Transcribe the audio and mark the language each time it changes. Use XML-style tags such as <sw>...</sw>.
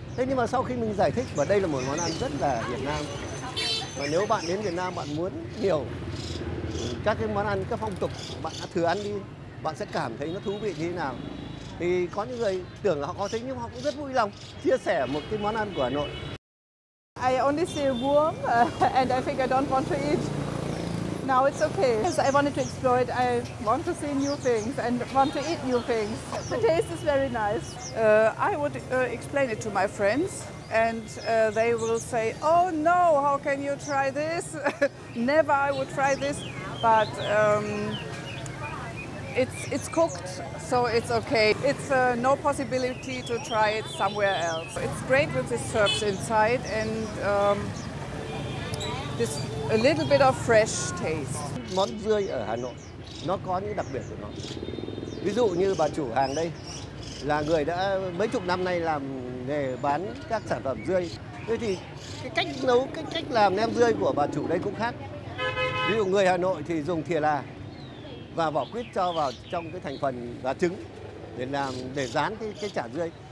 <vi>Thế nhưng mà sau khi mình giải thích, và đây là một món ăn rất là Việt Nam. Và nếu bạn đến Việt Nam bạn muốn hiểu các cái món ăn, các phong tục, bạn đã thử ăn đi. Bạn sẽ cảm thấy nó thú vị như thế nào. Thì có những người tưởng là họ khó tính nhưng họ cũng rất vui lòng chia sẻ một cái món ăn của Hà Nội.</vi> <en>I only see a worm and I think I don't want to eat. Now it's okay. So I wanted to explore it. I want to see new things and want to eat new things. The taste is very nice. I would explain it to my friends and they will say, oh no, how can you try this? Never I would try this. But it's cooked, so it's okay. It's no possibility to try it somewhere else. It's great with these herbs inside and this a little bit of fresh taste.</en> <vi>Món rươi ở Hà Nội nó có những đặc biệt của nó. Ví dụ như bà chủ hàng đây là người đã mấy chục năm nay làm nghề bán các sản phẩm rươi. Thế thì cái cách nấu, cách làm nem rươi của bà chủ đây cũng khác. Ví dụ người Hà Nội thì dùng thìa là và vỏ quýt cho vào trong cái thành phần gà trứng để rán cái chả rươi.</vi>